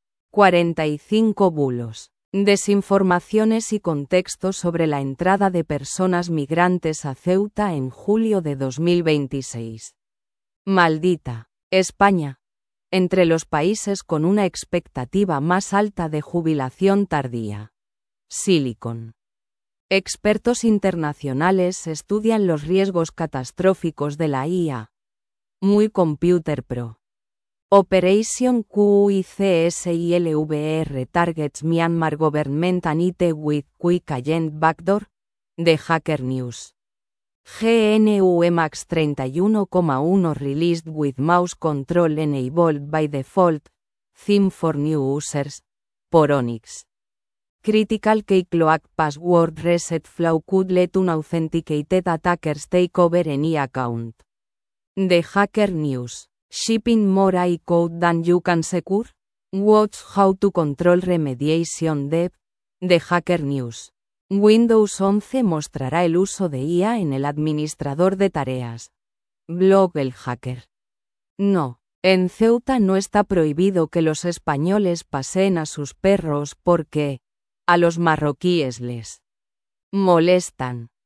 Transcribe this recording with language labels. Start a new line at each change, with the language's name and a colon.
Spanish: 45 bulos, desinformaciones y contexto sobre la entrada de personas migrantes a Ceuta en julio de 2026. Maldita. España. Entre los países con una expectativa más alta de jubilación tardía. Silicon. Expertos internacionales estudian los riesgos catastróficos de la IA. Muy Computer Pro.
English: Operation QICSILVR targets Myanmar government and IT with quick agent backdoor. The Hacker News. GNU Emacs 31.1 released with mouse control enabled by default. Theme for new users. Poronix. Critical Keycloak Password Reset Flow could let unauthenticated attackers take over any account. The Hacker News. Shipping more AI code than you can secure? Watch how to control remediation debt. The Hacker News.
Spanish: Windows 11 mostrará el uso de IA en el administrador de tareas. Blog El Hacker. No. En Ceuta no está prohibido que los españoles paseen a sus perros porque a los marroquíes les molestan.